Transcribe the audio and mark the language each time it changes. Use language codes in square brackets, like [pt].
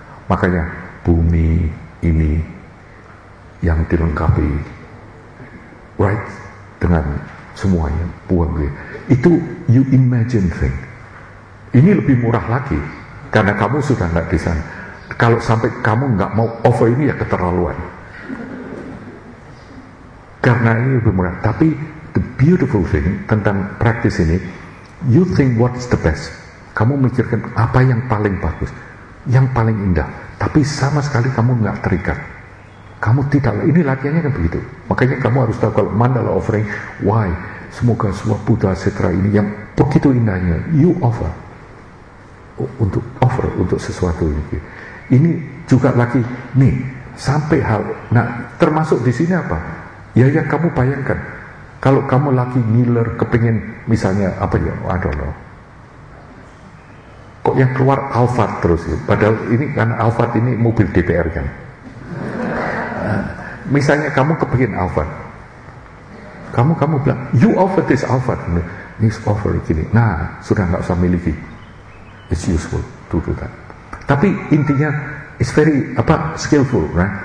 [id] Makanya bumi ini yang dilengkapi right dengan semuanya, buang dia. [en] Itu you imagine thing. [id] Ini lebih murah lagi karena kamu sudah enggak di sana. Kalau sampai kamu enggak mau offer ini ya keterlaluan. Karena ini lebih murah. Tapi [en] the beautiful thing [id] tentang [en] practice ini, you think what's the best. [id] Kamu mikirkan apa yang paling bagus, yang paling indah. Tapi sama sekali kamu gak terikat. Kamu tidak, ini latihannya kan begitu. Makanya kamu harus tahu kalau mandala offering, why, semoga semua Buddha Sutra ini yang begitu indahnya, [en] you offer, [id] untuk offer untuk sesuatu ini. Ini juga lagi nih, sampai hal, nah termasuk di sini apa? Ya yang kamu bayangkan. Kalau kamu lagi ngiler, kepingin misalnya, apa ya, [en] I don't know. [id] Kok yang keluar Alphard terus ya? Padahal ini kan Alphard ini mobil DPR kan. Misalnya kamu kepingin Alphard. Kamu bilang, [en] you offer this Alphard. This offer [id] gini. Nah, sudah gak usah miliki. [en] It's useful to do that. [id] Tapi intinya, [en] it's very, [id] apa, [en] skillful, right?